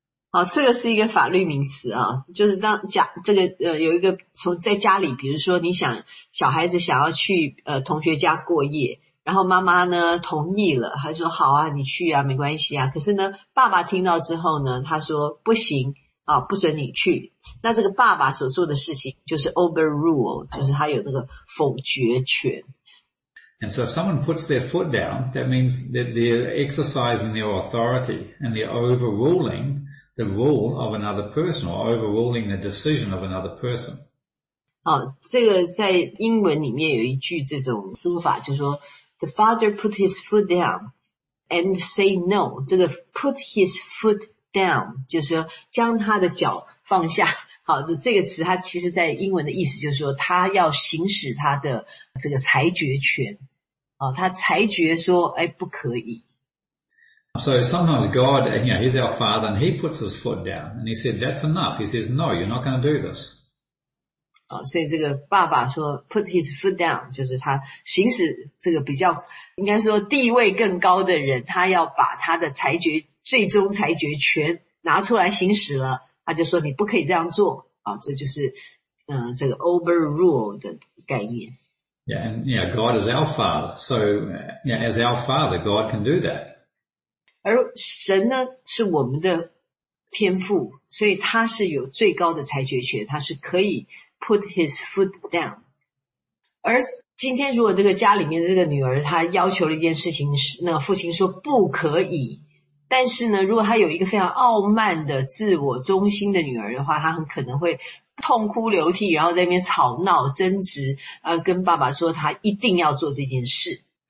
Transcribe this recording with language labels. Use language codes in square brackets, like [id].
[zh] 好，这个是一个法律名词啊，就是当家这个有一个从在家里，比如说你想小孩子想要去同学家过夜，然后妈妈呢同意了，她说好啊，你去啊，没关系啊。可是呢，爸爸听到之后呢，他说不行啊，不准你去。那这个爸爸所做的事情就是 overrule， 就是他有那个否决权。 [en] And so if someone puts their foot down, that means that they're exercising their authority and they're overruling the rule of another person or overruling the decision of another person. [zh] 好，这个在英文里面有一句这种说法，就是说 [en] the father put his foot down and say no. [zh] 这个 [en] put his foot down [zh] 就是说将他的脚放下。好，这个词它其实在英文的意思就是说他要行使他的这个裁决权。好，他裁决说哎不可以。 [en] So sometimes God, you know, he's our father and he puts his foot down and he said, that's enough. He says, no, you're not going to do this. [zh] 哦，所以这个爸爸说 [en] put his foot down, [zh] 就是他行使这个比较应该说地位更高的人，他要把他的裁决最终裁决权拿出来行使了，他就说你不可以这样做。哦，这就是这个 overrule 的概念。 [en] Yeah, and yeah, God is our father. So yeah, as our father, God can do that. [zh] 而神呢是我们的天父，所以他是有最高的裁决权，他是可以 [en] put his foot down。 [zh] 而今天如果这个家里面的这个女儿她要求了一件事情，那父亲说不可以，但是呢如果她有一个非常傲慢的自我中心的女儿的话，她很可能会痛哭流涕，然后在那边吵闹争执跟爸爸说她一定要做这件事。